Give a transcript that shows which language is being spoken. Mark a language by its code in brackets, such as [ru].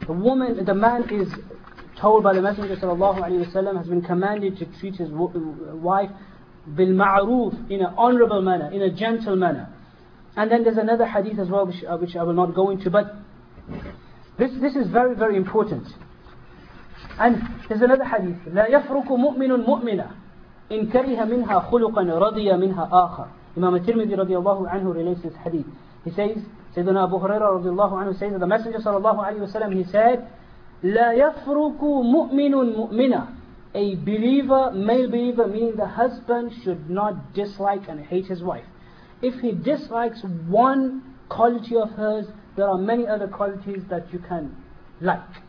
[en] The woman, the man is told by the Messenger sallallahu alaihi wasallam, has been commanded to treat his wife bil ma'roof, in an honorable manner, in a gentle manner. And then there's another hadith as well, which I will not go into, but this is very, very important. And there's another hadith. [ar] لا يفرق مؤمن مؤمنة إن كره منها خلقا رضي منها آخر. [en] Imam al-Tirmidhi radiyallahu anhu relates this hadith. He says, Sayyidina Abu Huraira radiyallahu anhu says that the Messenger sallallahu alayhi wa sallam, he said, [ar] لا يفرق مؤمن مؤمنة. [en] A believer, male believer, meaning the husband, should not dislike and hate his wife. If he dislikes one quality of hers, there are many other qualities that you can like.